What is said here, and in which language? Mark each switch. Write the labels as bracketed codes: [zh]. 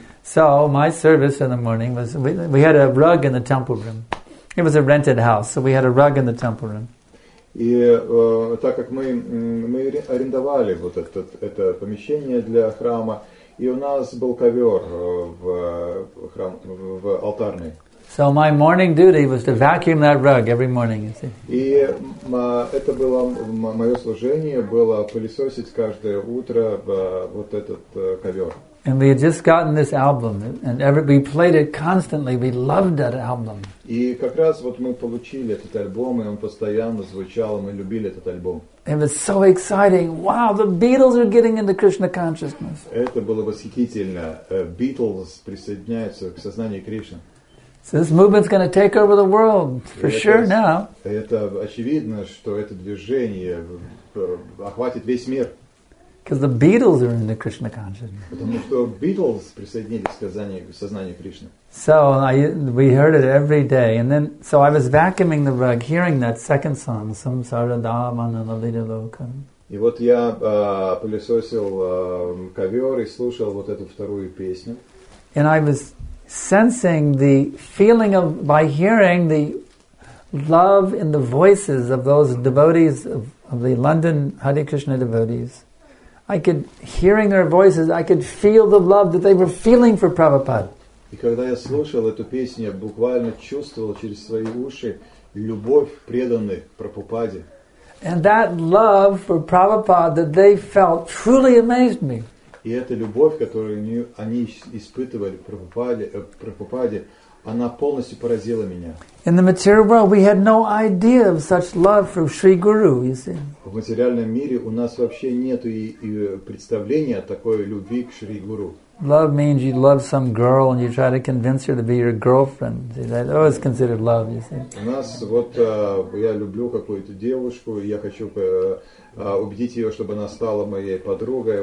[en] So my service in the morning was, we had a rug in the temple room. It was a rented house, so we had a rug in the temple room. [ru] И так как мы арендовали вот это помещение для храма, и у нас был ковер в храм в алтарной. [en] So my morning duty was to vacuum that rug every morning, you see. [ru] И это было моё служение было пылесосить каждое утро вот этот ковёр. [en] And we had just gotten this album and we played it constantly. We loved that album. [ru] И как раз вот мы получили этот альбом, и он постоянно звучал, мы любили этот альбом. [en] It was so exciting. Wow, the Beatles are getting into Krishna consciousness. [ru] Это было восхитительно. Beatles присоединяются к сознанию Кришны. [en] So this movement's going to take over the world for sure now. [ru] Это очевидно, что это движение охватит весь мир. [en] Because the Beatles are into Krishna consciousness. [ru] Потому что Beatles присоединились к сознанию Кришны. [en] So we heard it every day, and then so I was vacuuming the rug, hearing that second song, Samsara Dhamana Lalita Loka. [ru] И вот я пылесосил ковер и слушал вот эту вторую песню. [en] And I was sensing the feeling of, by hearing the love in the voices of those devotees, of the London Hare Krishna devotees, I could, hearing their voices, I could feel the love that they were feeling for Prabhupada. [ru] И когда я слушал эту песню, я буквально чувствовал через свои уши любовь преданных Прабхупаде. [en] And that love for Prabhupada that they felt truly amazed me. [ru] И эта любовь, которую они испытывали Прабхупаде, она полностью поразила меня. [en] In the material world, we had no idea of such love for Sri Guru, you see. [ru] В материальном мире у нас вообще нету и представления о такой любви к Шри Гуру. [en] Love means you love some girl and you try to convince her to be your girlfriend. See, that always considered love, you see. [ru] У нас вот я люблю какую-то девушку, я хочу убедить ее, чтобы она стала моей подругой.